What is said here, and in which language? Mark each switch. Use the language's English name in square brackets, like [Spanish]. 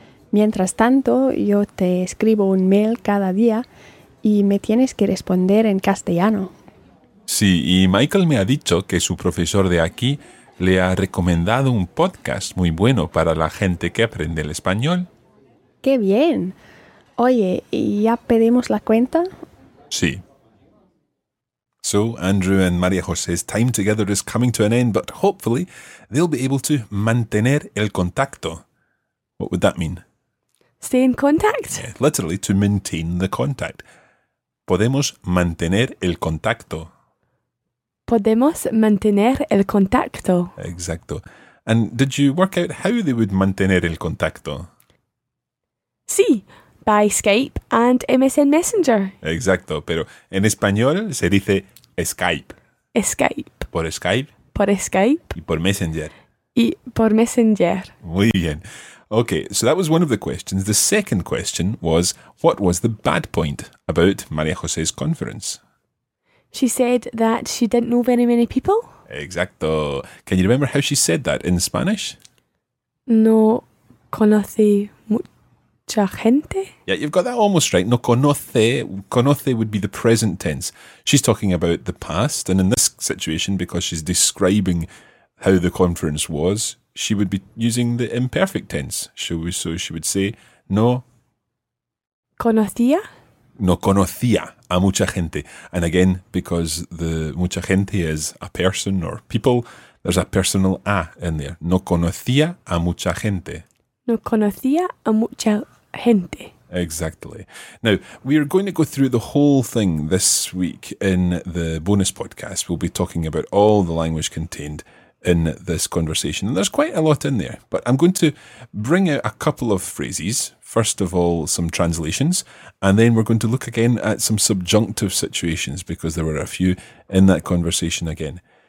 [Spanish] Mientras tanto, yo te escribo un mail cada día y me tienes que responder en castellano. Sí, y Michael me ha dicho que su profesor de aquí le ha recomendado un podcast muy bueno para la gente que aprende el español. ¡Qué bien! Oye, ¿ya pedimos la cuenta? Sí. [English] So, Andrew and María José's time together is coming to an end, but hopefully they'll be able to [Spanish] mantener el contacto. [English] What would that mean? Stay in contact? Yeah, literally, to maintain the contact. [Spanish] Podemos mantener el contacto. Podemos mantener el contacto. Exacto. [English] And did you work out how they would [Spanish] mantener el contacto? [English] Sí, by Skype and MSN Messenger. [Spanish] Exacto, pero en español se dice Skype. Skype. Por Skype. Por Skype. Y por Messenger. Y por Messenger. Muy bien. [English] Okay, so that was one of the questions. The second question was, what was the bad point about María José's conference? She said that she didn't know very many people. [Spanish] Exacto. [English] Can you remember how she said that in Spanish? [Spanish] No conoce mucha gente. [English] Yeah, you've got that almost right. [Spanish] No conoce. [English] Conoce would be the present tense. She's talking about the past. And in this situation, because she's describing how the conference was, she would be using the imperfect tense. So she would say, no [Spanish] conocía. No conocía a mucha gente. [English] And again, because the [Spanish] mucha gente [English] is a person or people, there's a personal a in there. [Spanish] No conocía a mucha gente. No conocía a mucha gente. [English] Exactly. Now, we are going to go through the whole thing this week in the bonus podcast. We'll be talking about all the language contained in this conversation. And there's quite a lot in there, but I'm going to bring out a couple of phrases. First of all, some translations, and then we're going to look again at some subjunctive situations, because there were a few in that conversation again.